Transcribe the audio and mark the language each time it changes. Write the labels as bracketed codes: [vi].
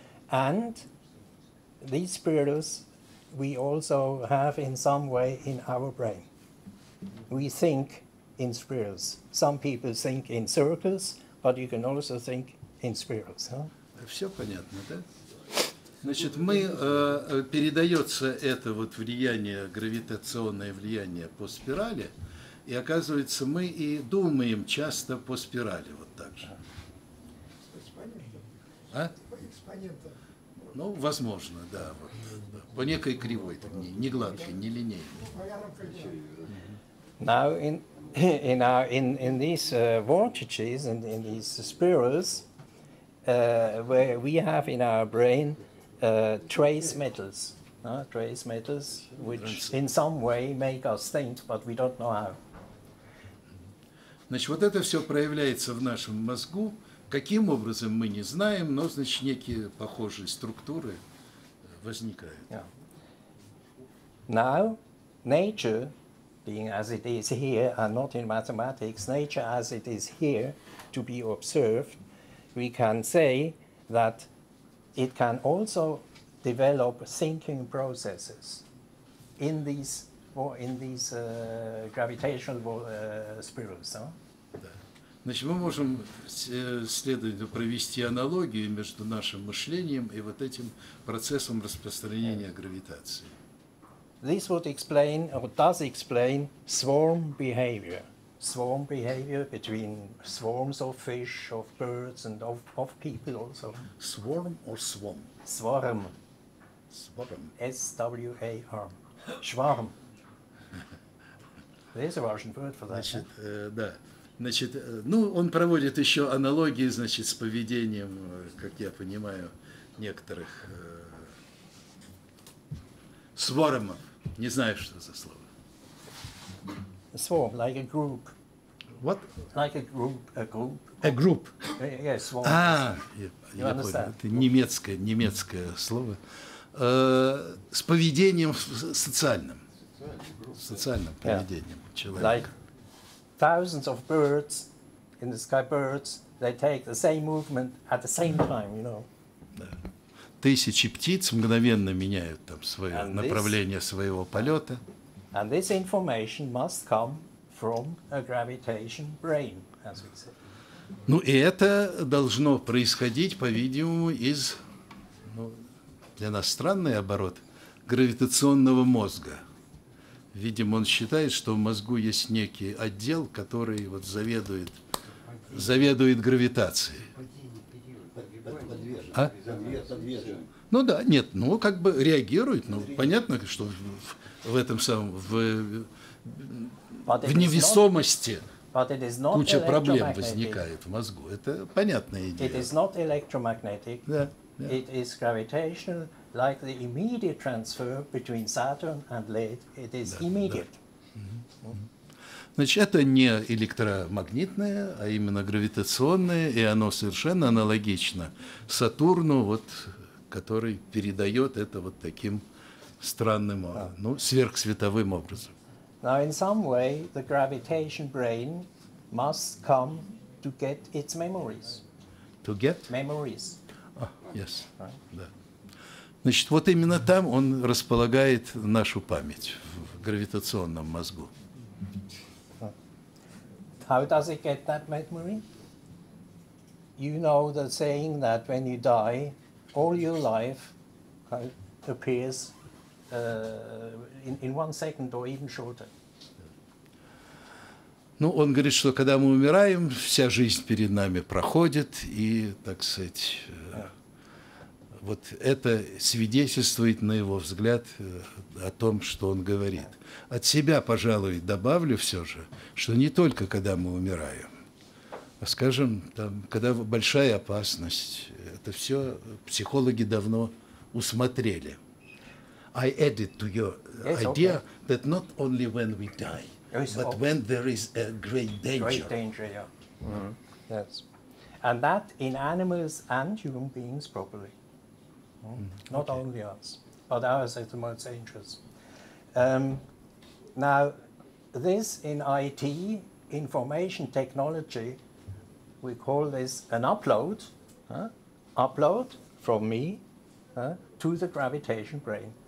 [en] And these spirals we also have in some way in our brain. We think in spirals. Some people think in circles, but you can also think in spirals. [ru] Все понятно, да? Значит, мы передается это вот влияние, гравитационное влияние по спирали, и оказывается, мы и думаем часто по спирали вот так же. Ну, возможно, да, вот, да. По некой кривой, там, не гладкой, не линейной. [en] Now in these vortices and in these spirals, where we have in our brain trace metals, which in some way make us think, but we don't know how. [ru] Значит, вот это все проявляется в нашем мозгу. Каким образом, мы не знаем, но, значит, некие похожие структуры возникают. [en] Yeah. Now, nature, being as it is here, and not in mathematics, nature as it is here to be observed, we can say that it can also develop thinking processes in these gravitational spirals. No? [ru] Значит, мы можем следовательно провести аналогию между нашим мышлением и вот этим процессом распространения гравитации. [en] This would explain, or does explain, swarm behavior between swarms of fish, of birds, and of people also. Swarm or swarm? Swarm. Swarm. S-W-A-R-M. Schwarm. There's a Russian word for that. [ru] Значит, да. Значит, ну, он проводит еще аналогии, значит, с поведением, как я понимаю, некоторых свармов. Не знаю, что за слово. [en] Swarm, like a group. What? Like a group. A group. A group. Yes, swarm. [ru] А, я понял. Это немецкое слово. С поведением социальным. Социальным поведением человека. [en] Like thousands of birds in the sky, birds, they take the same movement at the same time, you know. [ru] Тысячи птиц мгновенно меняют там свое направление своего полета. [en] And this information must come from a gravitation brain, as we said. [ru] Ну и это должно происходить, по-видимому, из, ну, для нас странный оборот, гравитационного мозга. Видимо, он считает, что в мозгу есть некий отдел, который вот заведует, заведует гравитацией. А? Ну да, нет, ну как бы реагирует, ну понятно, что в этом самом, в невесомости куча проблем возникает в мозгу. Это понятная идея. [en] It is not electromagnetic. [ru] Да. [en] Yeah. It is gravitational, like the immediate transfer between Saturn and Lead. It is immediate. [ru] Да. Значит, это не электромагнитное, а именно гравитационное, и оно совершенно аналогично Сатурну, вот, который передает это вот таким странным, ну, сверхсветовым образом. [en] Now, in some way, the gravitation brain must come to get its memories. To get? Memories. Yes. Right. [ru] Да. Значит, вот именно там он располагает нашу память, в гравитационном мозгу. [en] How does it get that memory? You know the saying that when you die, all your life appears in one second or even shorter. [ru] Ну, он говорит, что когда мы умираем, вся жизнь перед нами проходит, и, так сказать... Вот это свидетельствует, на его взгляд, о том, что он говорит. От себя, пожалуй, добавлю все же, что не только когда мы умираем, а, скажем, там, когда большая опасность, это все психологи давно усмотрели. [en] I added to your idea that not only when we die, but when there is a great danger. Great danger, yeah. Mm-hmm. Yes. And that in animals and human beings properly. Not okay. only us, but ours are the most dangerous. Now, this in IT, information technology, we call this an upload, upload from me to the gravitation brain.